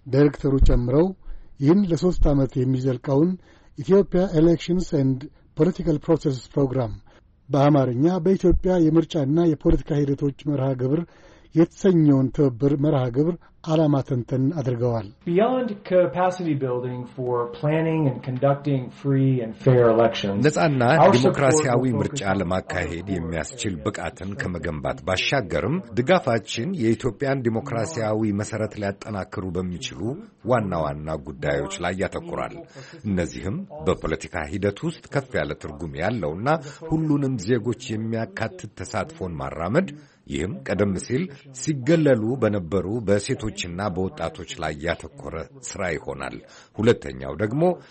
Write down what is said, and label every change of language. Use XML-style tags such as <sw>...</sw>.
<am>ዳይሬክተሩ ጨምረው ይህን ለሶስት ዓመት የሚዘልቀውን ኢትዮጵያ ኤሌክሽንስ ኤንድ ፖለቲካል ፕሮሰስ ፕሮግራም በአማርኛ በኢትዮጵያ የምርጫና የፖለቲካ ሂደቶች መርሃ ግብር የተሰኘውን ትብብር መርሃ ግብር ዓላማ ተንተን አድርገዋል።</am> <en>Beyond capacity building for planning and conducting free and fair elections.</en> <am>ለጻና ዲሞክራሲያዊ ምርጫ ለማካሄድ የሚያስችል ብቃትን ከመገንባት ባሻገርም ድጋፋችን የኢትዮጵያን ዲሞክራሲያዊ መሰረት ሊያጠናክሩ በሚችሉ ዋና ዋና ጉዳዮች ላይ ያተኩራል። እነዚህም በፖለቲካ ሂደት ውስጥ ከፍ ያለ ትርጉም ያለውና ሁሉንም ዜጎች የሚያካትት ተሳትፎን ማራመድ ይህም ቀደም ሲል ሲገለሉ በነበሩ በሴቶችና በወጣቶች ላይ ያተኮረ ሥራ ይሆናል። ሁለተኛው ደግሞ</am>